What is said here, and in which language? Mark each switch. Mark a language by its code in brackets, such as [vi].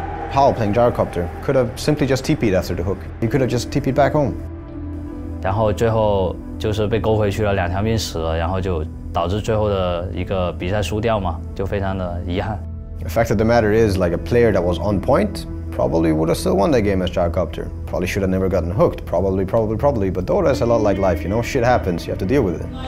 [en] Powell playing gyrocopter could have simply just TP'd after the hook. He could have just TP'd back home. [zh] 然后最后就是被勾回去了，两条命死了，然后就导致最后的一个比赛输掉嘛，就非常的遗憾。 [en] The fact of the matter is, like, a player that was on point probably would have still won that game as gyrocopter. Probably should have never gotten hooked. Probably. But Dota is a lot like life, you know. Shit happens. You have to deal with it.